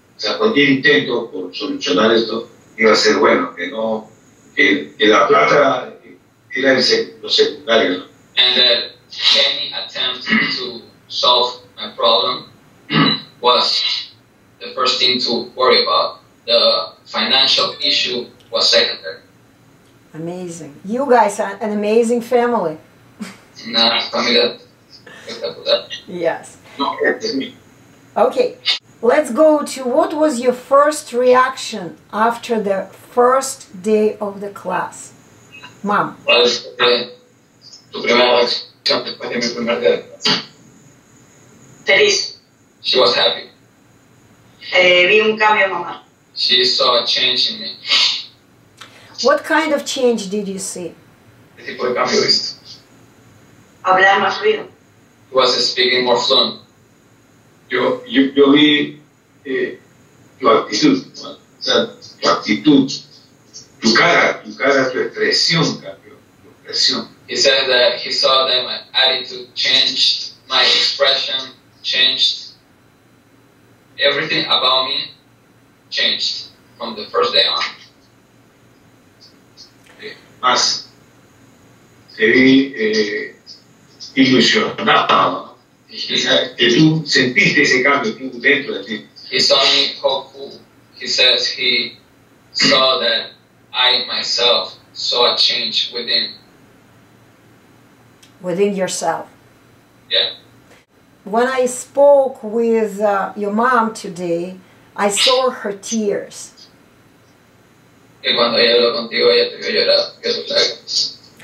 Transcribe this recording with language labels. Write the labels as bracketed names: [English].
[Spanish] O sea, cualquier intento por solucionar esto iba a ser bueno, que no, que la plata era lo secundario. [English] And that any attempt to solve my problem was the first thing to worry about. The financial issue was secondary. Amazing. You guys are an amazing family. [Spanish] Una familia espectacular. [English] Yes. No, it's me. Okay. Let's go to what was your first reaction after the first day of the class, Mom? [Spanish] Feliz. [English] She was happy. [Spanish] Vi un cambio, Mama. [English] She saw a change in me. What kind of change did you see? [Spanish] Hablar más fluido. [English] He was speaking more fluent. [Spanish] Yo vi tu actitud, tu cara, tu expresión. [English] He said that he saw that my attitude changed, my expression changed, everything about me changed from the first day on. [Spanish] Más, se vi ilusionado, que tú sentiste ese cambio tú dentro de ti. [English] He saw me hopeful. He says he saw that I myself saw a change within. Within yourself. Yeah. When I spoke with your mom today, I saw her tears. [Spanish] Y cuando ella habló contigo, ella te vio llorar.